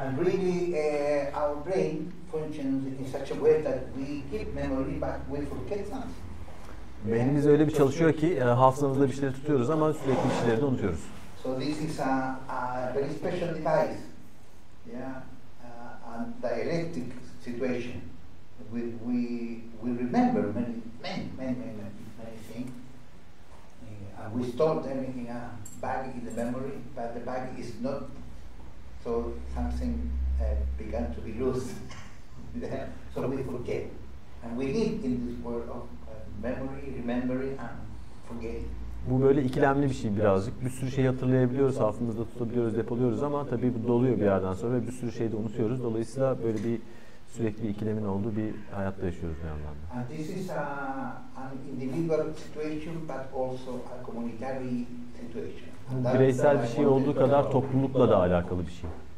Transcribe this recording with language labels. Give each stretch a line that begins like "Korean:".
English: And really our brain functions in such a way that we keep memory but we forget something.
Turkish: Beynimiz öyle bir çalışıyor ki hafızamızda bir şeyleri tutuyoruz ama sürekli bir şeyleri de unutuyoruz.
English: So this is a very special device. Yeah. And dialectic situation. We remember many things. And we store them in a bag in the memory, but the bag is not, so something began to be loose. So we forget. And we live in this world of memory, remembering and forgetting.
Turkish: Bu böyle ikilemli bir şey birazcık. Bir sürü şey hatırlayabiliyoruz, hafızamızda tutabiliyoruz, depoluyoruz ama tabii bu doluyor bir yerden sonra ve bir sürü şey de unutuyoruz. Dolayısıyla böyle bir sürekli bir ikilemin olduğu bir hayatta yaşıyoruz bir yandan da.
English: And this is an individual situation but also a communitary situation.
Turkish: Bireysel bir şey olduğu kadar toplulukla da alakalı bir şey.